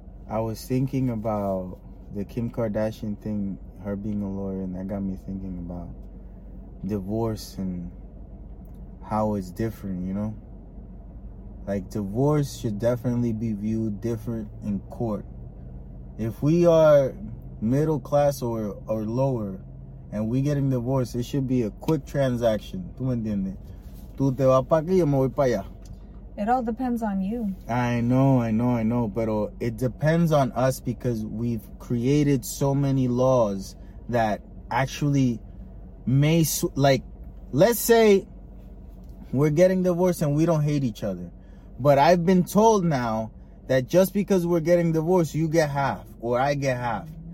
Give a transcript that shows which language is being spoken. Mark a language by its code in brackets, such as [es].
[en] I was thinking about the Kim Kardashian thing, her being a lawyer, and that got me thinking about divorce and how it's different, you know? Like, divorce should definitely be viewed different in court. If we are middle class or lower and we getting divorced, it should be a quick transaction. [es] ¿Tú me entiendes? Tú te vas para aquí, yo me voy para allá. [en] It all depends on you. I know. Pero it depends on us because we've created so many laws that actually may... Like, let's say we're getting divorced and we don't hate each other. But I've been told now that just because we're getting divorced, you get half or I get half.